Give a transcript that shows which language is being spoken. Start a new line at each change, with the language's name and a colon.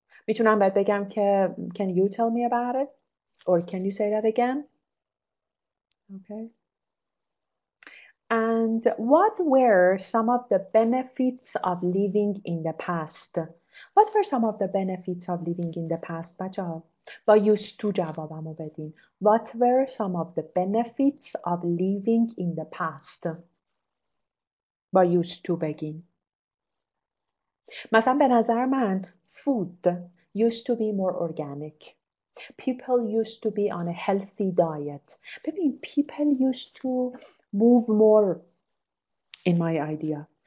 Persian: میتونم بهت بگم که
English: can you tell me about it? Or can you say that again? Okay. And what were some of the benefits of living in the past? What were some of the benefits of living in the past?
Persian: بچه ها با
English: used to
Persian: جوابمو بدین.
English: What were some of the benefits of living in the past?
Persian: با
English: used to
Persian: بگین. مثلا به نظر من
English: food used to be more organic. People used to be on a healthy diet.
Persian: ببین
English: people used to move more in my idea.